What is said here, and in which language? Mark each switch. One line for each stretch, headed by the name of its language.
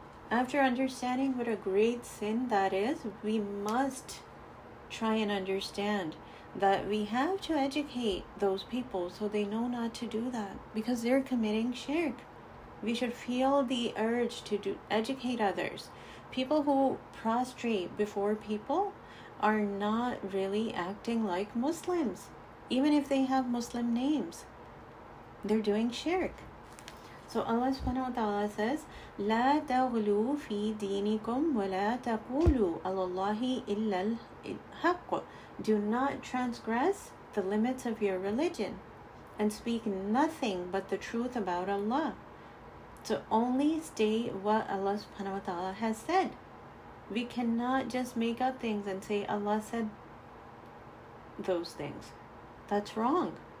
English: After understanding what a great sin that is, we must try and understand that we have to educate those people so they know not to do that because they're committing shirk. We should feel the urge to educate others. People who prostrate before people are not really acting like Muslims. Even if they have Muslim names, they're doing shirk. So Allah subhanahu wa ta'ala says,
Arabic: لَا تَغْلُوا فِي دِينِكُمْ وَلَا تَقُولُوا عَلَى اللَّهِ إِلَّا الْحَقُّ.
English: Do not transgress the limits of your religion and speak nothing but the truth about Allah. So only state what Allah subhanahu wa ta'ala has said. We cannot just make up things and say Allah said those things. That's wrong.